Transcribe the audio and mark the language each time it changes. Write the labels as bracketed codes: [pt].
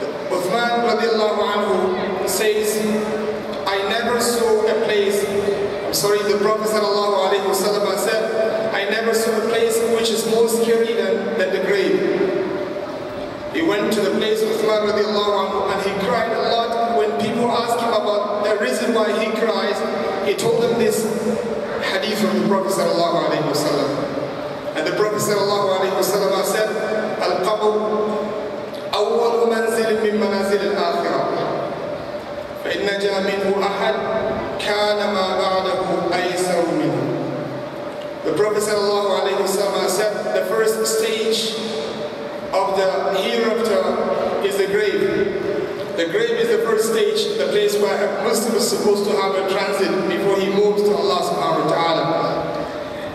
[en] Uthman radiallahu anhu says, I never saw a place, the Prophet sallallahu alayhi wa sallam said, I never saw a place which is more scary than the grave. He went to the place of Uthman radiallahu anhu and he cried a lot. When people asked him about the reason why he cries, he told them this hadith from the Prophet sallallahu alayhi wa sallam. And the Prophet sallallahu alayhi wa sallam said, Al-Qabr [ar] أول منزل من منازل الآخرة فإن نجا منه أحد كان ما بعده أيسر منه. [en] The Prophet sallallahu alayhi wa sallam said, the first stage of the hereafter is the grave. The grave is the first stage, the place where a Muslim is supposed to have a transit before he moves to Allah subhanahu wa ta'ala.